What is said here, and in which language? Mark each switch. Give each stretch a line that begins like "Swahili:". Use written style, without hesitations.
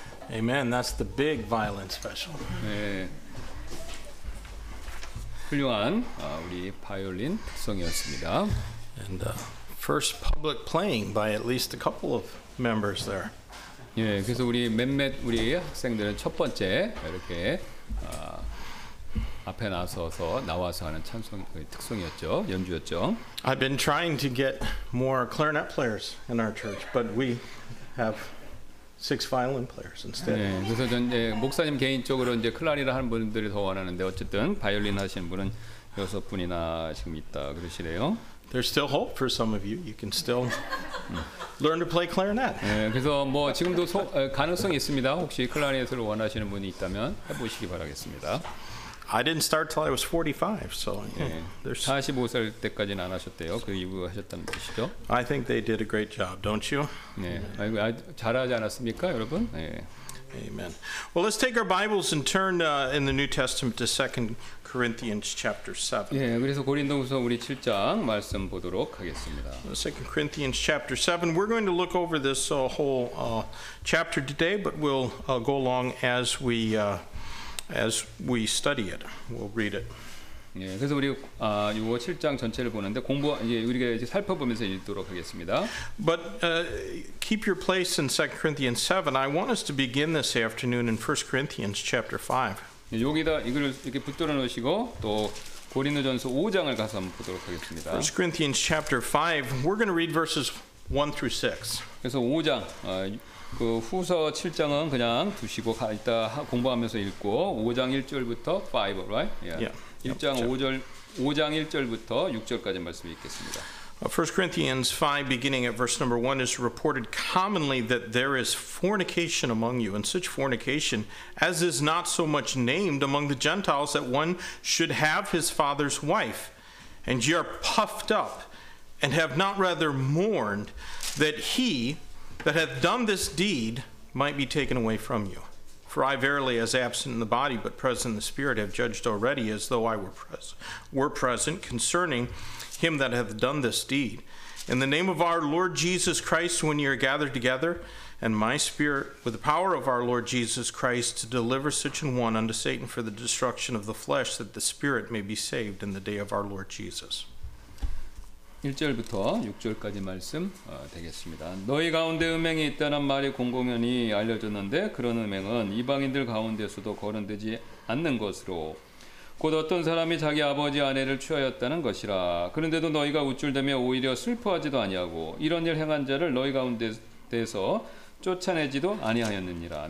English: Amen. That's the big violin special.
Korean: 네. 훌륭한 우리 바이올린 특성이었습니다.
English: And the first public playing by at least a couple of members there.
Korean: 예, 그래서 우리 몇몇 우리 학생들은 첫 번째 이렇게 앞에 나서서 나와서 하는 찬송의 특성이었죠. 연주였죠.
English: I've been trying to get more clarinet players in our church, but we have six violin players instead.
Korean: 예, 그래서 전 이제 목사님 개인적으로 이제 클라리넷 하는 분들이 더 원하는데 어쨌든 바이올린 하시는 분은 여섯 분이나 지금 있다 그러시네요.
English: There's still hope for some of you. You can still learn to play clarinet.
Korean: 예, 그래서 뭐 지금도 가능성이 있습니다. 혹시 클라리넷을 원하시는 분이 있다면 해보시기 바라겠습니다.
English: I didn't start till I was 45, so yeah, there's
Korean: 45살 때까지는 안 하셨대요. 그 이후 하셨다는 뜻이죠.
English: I think they did a great job, don't you?
Korean: 네, 아이고, 잘하지 않았습니까, 여러분? 네.
English: Amen. Well, let's take our Bibles and turn in the New Testament to 2 Corinthians chapter 7.
Korean: 예, 그래서 고린도후서 우리 7장 말씀 보도록 하겠습니다.
English: 2 Corinthians chapter 7. We're going to look over this whole chapter today, but we'll go along as we study it. We'll read it.
Korean: 예, 그래서 우리 요 7장 전체를 보는데 공부 이제 우리가 이제 살펴보면서 읽도록 하겠습니다.
English: But keep your place in 2 Corinthians 7. I want us to begin this afternoon in 1 Corinthians chapter 5.
Korean: 여기다 이걸 이렇게 붙들어 놓으시고 또 고린도전서 5장을 가서 한번 보도록 하겠습니다.
English: 1 Corinthians chapter 5. We're going to read verses 1 through 6.
Korean: 그래서 5장 그 후서 7장은 그냥 두시고 이따 공부하면서 읽고 5장 1절부터 5,
English: right? Yeah. Yeah.
Korean: 1장 5절, 5장 1절부터 6절까지 말씀 읽겠습니다.
English: 1 Corinthians 5 beginning at verse number 1 is reported commonly that there is fornication among you and such fornication as is not so much named among the Gentiles that one should have his father's wife and ye are puffed up and have not rather mourned that he that hath done this deed might be taken away from you. For I verily, as absent in the body, but present in the spirit, have judged already, as though I were present, concerning him that hath done this deed. In the name of our Lord Jesus Christ, when ye are gathered together, and my spirit, with the power of our Lord Jesus Christ, to deliver such an one unto Satan for the destruction of the flesh, that the spirit may be saved in the day of our Lord Jesus.
Korean: 1절부터 6절까지 말씀 되겠습니다. 너희 가운데 음행이 있다는 말이 공공연히 알려졌는데 그런 음행은 이방인들 가운데서도 거론되지 않는 것으로 곧 어떤 사람이 자기 아버지 아내를 취하였다는 것이라. 그런데도 너희가 우쭐대며 오히려 슬퍼하지도 아니하고 이런 일 행한 자를 너희 가운데서 쫓아내지도 아니하였느니라.